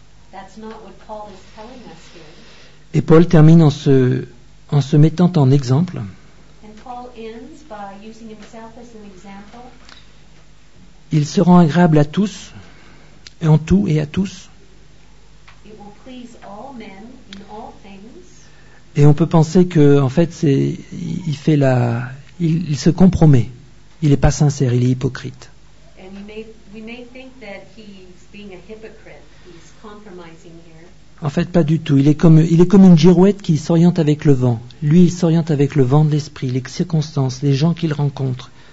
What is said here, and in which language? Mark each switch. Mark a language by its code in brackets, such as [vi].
[en] That's not what Paul is telling us here. [fr] Et Paul termine en se mettant en exemple. [en] And Paul ends by using himself as an example. [fr] Il se rend agréable à tous, en tout et à tous. [en] It will please all men in all things. [fr] Et on peut penser que, en fait, il se compromet. Il n'est pas sincère, il est hypocrite. [en] And we may think that he's being a hypocrite. He's compromising here. [fr] En fait, pas du tout. Il est comme une girouette qui s'oriente avec le vent. Lui, il s'oriente avec le vent de l'esprit, les circonstances, les gens qu'il rencontre.